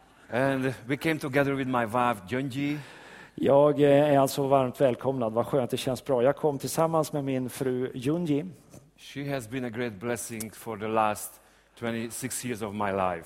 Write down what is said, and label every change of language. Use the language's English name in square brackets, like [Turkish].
[English] And we came together with my wife, Junji. [Swedish] Jag är alltså varmt välkomnad. Vad skönt, det känns bra. Jag kom tillsammans med min fru Junji. [English] She has been a great blessing for the last 26 years of my life.